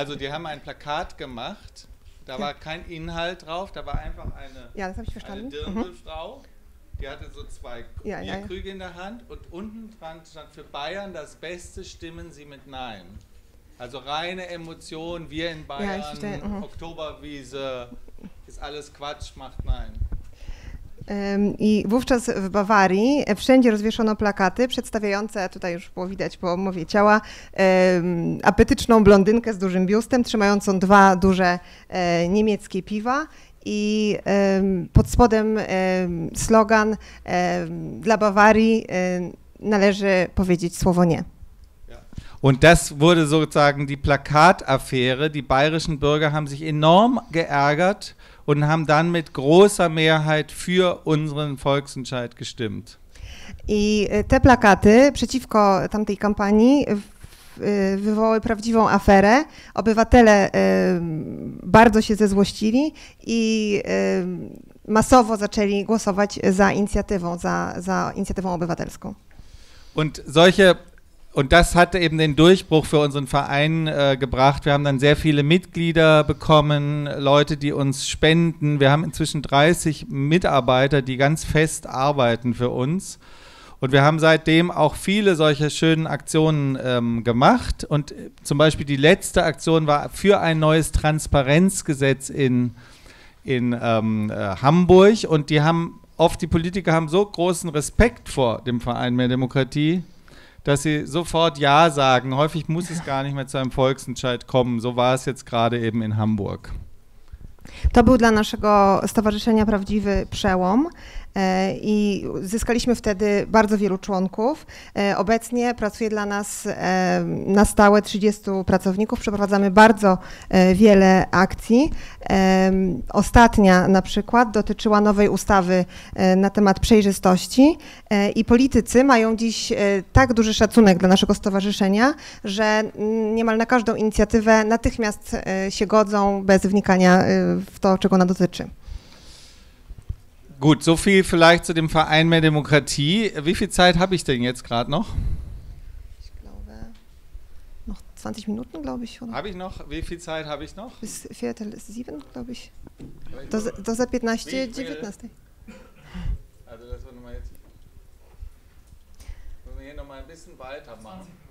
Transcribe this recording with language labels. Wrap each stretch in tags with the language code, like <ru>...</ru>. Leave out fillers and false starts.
<de>Also die haben ein Plakat gemacht. Da war kein Inhalt drauf, da war einfach eine Dirndlfrau, die hatte so zwei Bierkrüge in der Hand und unten dran stand, für Bayern das Beste, stimmen Sie mit Nein. Also reine Emotion, wir in Bayern, Oktoberwiese, ist alles Quatsch, macht Nein.</de> <pl>I wówczas w Bawarii wszędzie rozwieszono plakaty przedstawiające, tutaj już było widać po mowie ciała, apetyczną blondynkę z dużym biustem, trzymającą dwa duże niemieckie piwa i pod spodem slogan dla Bawarii należy powiedzieć słowo nie.</pl> <de>Und das wurde sozusagen die Plakataffäre. Die bayerischen Bürger haben sich enorm geärgert und haben dann mit großer Mehrheit für unseren Volksentscheid gestimmt.</de> <pl>I te plakaty przeciwko tamtej kampanii wywołały prawdziwą aferę. Obywatele bardzo się zezłościli i masowo zaczęli głosować za inicjatywą obywatelską.</pl> <de>Und das hatte eben den Durchbruch für unseren Verein gebracht. Wir haben dann sehr viele Mitglieder bekommen, Leute, die uns spenden. Wir haben inzwischen 30 Mitarbeiter, die ganz fest arbeiten für uns. Und wir haben seitdem auch viele solcher schönen Aktionen gemacht. Und zum Beispiel die letzte Aktion war für ein neues Transparenzgesetz in Hamburg. Und die haben oft, die Politiker haben so großen Respekt vor dem Verein Mehr Demokratie, dass sie sofort Ja sagen. Häufig muss es gar nicht mehr zu einem Volksentscheid kommen. So war es jetzt gerade eben in Hamburg.</de> <pl>To był dla naszego stowarzyszenia prawdziwy przełom i zyskaliśmy wtedy bardzo wielu członków. Obecnie pracuje dla nas na stałe 30 pracowników. Przeprowadzamy bardzo wiele akcji. Ostatnia na przykład dotyczyła nowej ustawy na temat przejrzystości i politycy mają dziś tak duży szacunek dla naszego stowarzyszenia, że niemal na każdą inicjatywę natychmiast się godzą bez wnikania w to, czego ona dotyczy.</pl> <de>Gut, so viel vielleicht zu dem Verein Mehr Demokratie. Wie viel Zeit habe ich denn jetzt gerade noch? Ich glaube, noch 20 Minuten, glaube ich. Habe ich noch? Wie viel Zeit habe ich noch? Bis 6:45, glaube ich.</de> <pl>Do 15:19.</pl> <de>Also das wollen wir jetzt. Wollen wir hier nochmal ein bisschen weitermachen?</de>